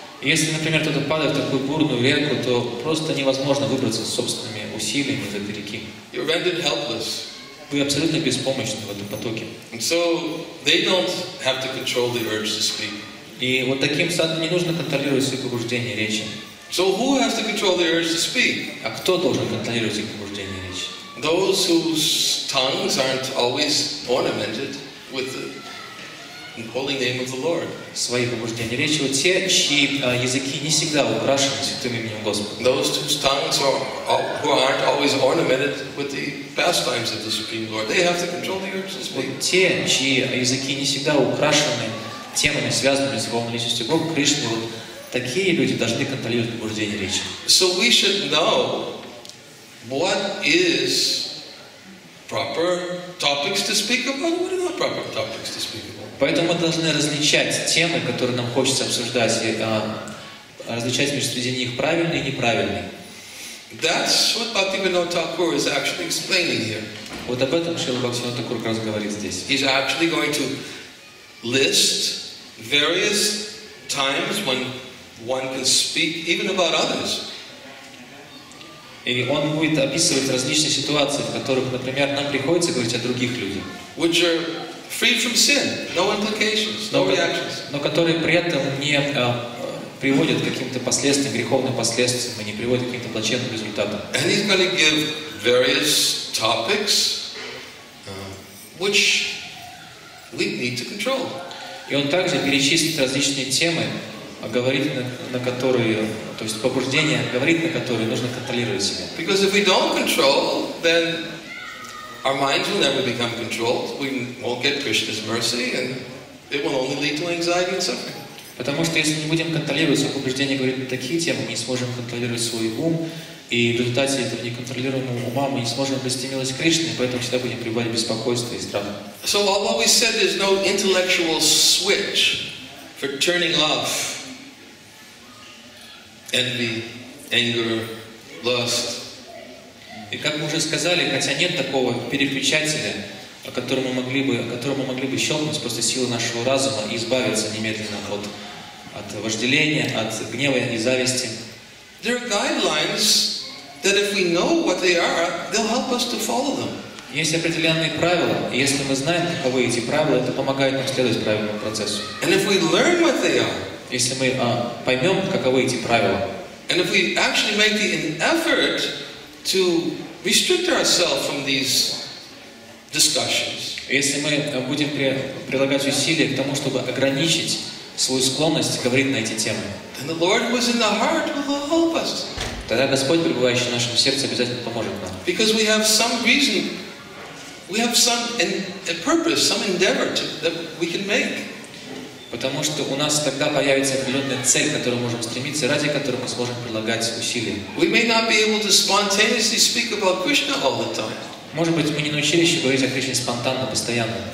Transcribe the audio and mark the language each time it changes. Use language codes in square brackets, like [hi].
[ru] Если, например, кто-то падает в такую бурную реку, то просто невозможно выбраться собственными усилиями из этой реки. [en] You're rendered helpless. [ru] Вы абсолютно беспомощны в этом потоке. [en] And so they don't have to control the urge to speak. [ru] И вот таким садом не нужно контролировать свои побуждения речи. [en] So who has to control the urge to speak? [ru] А кто должен контролировать их побуждения речи? [en] Those whose tongues aren't always ornamented with the holy name of the Lord. [ru] Свои побуждения речи, вот те, чьи языки не всегда украшены святым именем Господа. [en] Those whose tongues aren't always ornamented with the pastimes of the Supreme Lord. They have to control the urge to speak. [ru] Вот те, чьи языки не всегда украшены темами, связанными с Верховной Личностью Бога Кришны, вот такие люди должны контролировать побуждения речи. [en] So we should know what is proper topics to speak about, what are not proper topics to speak about. [ru] Поэтому мы должны различать темы, которые нам хочется обсуждать, и различать между среди них правильные и неправильные. [en] That's what Bhaktivinoda Thakur is actually explaining here. [ru] Вот об этом Шрила Бхактивинода Такур как раз говорит здесь. [en] He's actually going to list various times when one can speak even about others. [ru] И он будет описывать различные ситуации, в которых, например, нам приходится говорить о других людях. [en] Which are free from sin, no implications, no reactions. [ru] Но которые при этом не приводят к каким-то последствиям, греховным последствиям, и не приводят к каким-то плачевным результатам. [en] And he's going to give various topics, which we need to control. [ru] И он также перечислит различные темы, говорит на которые, то есть побуждение, говорит на которые нужно контролировать себя. [en] Because if we don't control, then our minds will never become controlled. We won't get Krishna's mercy, and it will only lead to anxiety and suffering. [ru] Потому что если не будем контролировать свое убеждение, говорит на такие темы, мы не сможем контролировать свой ум, и в результате этого неконтролируемого ума мы не сможем обрести милость Кришны, и поэтому всегда будем пребывать в беспокойстве и страхе. [en] So although we said there's no intellectual switch for turning off envy, anger, lust. [ru] И как мы уже сказали, хотя нет такого переключателя, о котором мы могли бы щелкнуть просто силы нашего разума и избавиться немедленно от вожделения, от гнева и зависти. [en] There are guidelines that if we know what they are, they'll help us to follow them. [ru] Есть определенные правила, и если мы знаем, каковы эти правила, это помогает нам следовать правильному процессу. [en] And if we learn what they are, [ru] если мы поймем, каковы эти правила, [en] and if we actually make the effort to restrict ourselves from these discussions, [ru] если мы будем прилагать усилия к тому, чтобы ограничить свою склонность говорить на эти темы, [en] then the Lord who is in the heart will help us. [ru] Тогда Господь, пребывающий в нашем сердце, обязательно поможет нам. [en] Because we have some reason, we have some a purpose, some endeavor that we can make. [ru] Потому что у нас тогда появится определенная цель, к которой мы можем стремиться, ради которой мы сможем прилагать усилия. [en] We may not be able to spontaneously speak about Krishna all the time. [ru] Может быть, мы не научились еще говорить о Кришне спонтанно, постоянно.